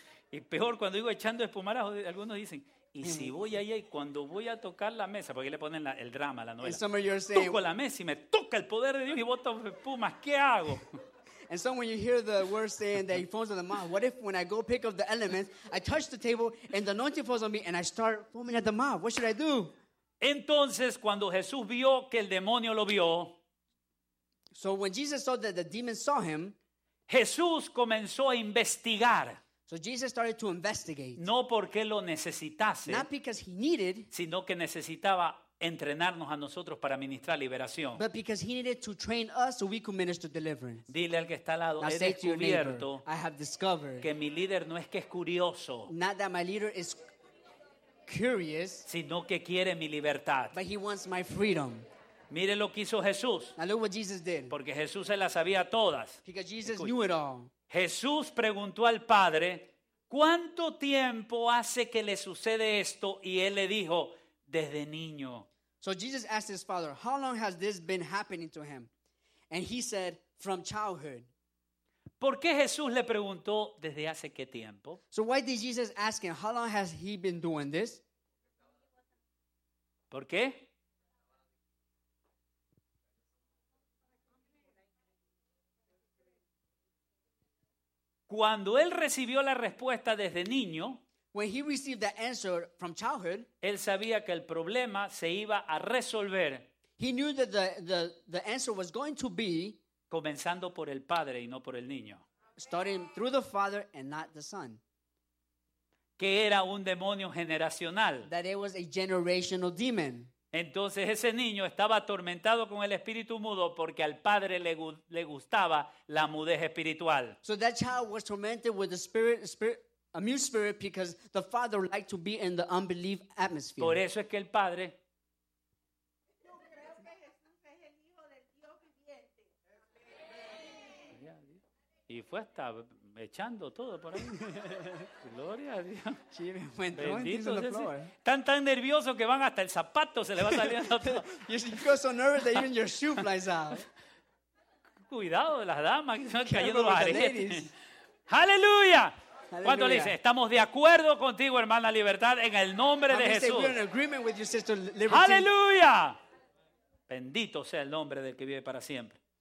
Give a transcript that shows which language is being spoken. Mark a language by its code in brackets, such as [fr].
[es] Y peor cuando digo echando espumarajo, algunos dicen, y si voy allá y cuando voy a tocar la mesa, porque le ponen el drama, la novela. [en] And some of you are saying, [es] toco la mesa y me toca el poder de Dios y boto espumas, ¿qué hago? [en] And some when you hear the word saying that he falls on the mouth, what if when I go pick up the elements, I touch the table and the anointing falls on me and I start foaming at the mouth? What should I do? [es] Entonces, cuando Jesús vio que el demonio lo vio, [en] so when Jesus saw that the demon saw him, [es] Jesús comenzó a investigar. [en] So Jesus started to investigate. [es] No porque lo necesitase, [en] not because he needed, [es] sino que necesitaba entrenarnos a nosotros para ministrar liberación. [en] But because he needed to train us so we could minister deliverance. [es] Dile al que está al lado, [en] now [es] he descubierto, [en] neighbor, I have discovered, [es] que mi líder no es que es curioso, [en] not that my leader is curious, [es] sino que quiere mi libertad. [en] But he wants my freedom. [es] Mire lo que hizo Jesús. [en] Now look what Jesus did. [es] Porque Jesús se las sabía todas. [en] Because Jesus knew it all. [es] Jesús preguntó al Padre, ¿cuánto tiempo hace que le sucede esto? Y él le dijo, desde niño. [en] So Jesus asked his father, how long has this been happening to him? And he said, from childhood. [es] ¿Por qué Jesús le preguntó desde hace qué tiempo? [en] So why did Jesus ask him, how long has he been doing this? [es] ¿Por qué? Cuando él recibió la respuesta desde niño, [en] when he received the answer from childhood, [es] él sabía que el problema se iba a resolver. [en] He knew that the answer was going to be [es] comenzando por el padre y no por el niño. [en] Starting through the father and not the son. [es] Que era un demonio generacional. [en] That it was a generational demon. [es] Entonces ese niño estaba atormentado con el espíritu mudo porque al padre le gustaba la mudez espiritual. [en] So that child was tormented with a mute spirit because the father liked to be in the unbelief atmosphere. [es] Por eso es que el padre. ¿Tú crees que Jesús es el hijo del Dios viviente? Y fue hasta echando todo por ahí. Gloria a Dios. Sí, me encuentro. Bendito sea. Están tan nerviosos que van hasta el zapato se le va saliendo todo. [en] You go so nervous that even your shoe flies out. [es] Cuidado de las damas que están cayendo los aretes. ¡Aleluya! ¿Cuánto le dice? Estamos de acuerdo contigo, hermana Libertad, en el nombre de Jesús. ¡Aleluya! Bendito sea el nombre del que vive para siempre.